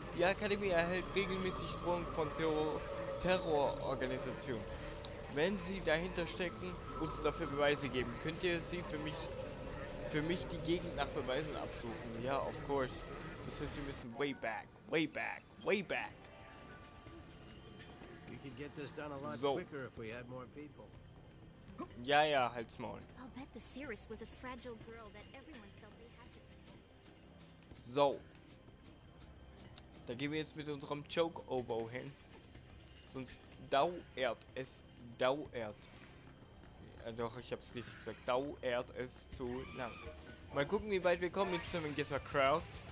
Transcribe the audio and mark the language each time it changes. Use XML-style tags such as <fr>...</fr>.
<de>Die Akademie erhält regelmäßig Drohungen von Terrororganisationen. Wenn sie dahinter stecken, muss es dafür Beweise geben. Könnt ihr sie für mich die Gegend nach Beweisen absuchen? Ja,</de> <en>of course.</en> <de>Das heißt, wir müssen</de> <en>way back, way back, way back. We could get this done a lot quicker if we had more people.</en> <de>Ja, ja, halt's Maul.</de> <en>I'll bet the Cirrus was a fragile girl that everyone felt they had to protect.</en> <de>So. Da gehen wir jetzt mit unserem Chocobo hin. Sonst dauert es, dauert. Ja, doch, ich hab's richtig gesagt. Dauert es zu lang. Mal gucken, wie weit wir kommen mit Simon Gesser Crowd.</de>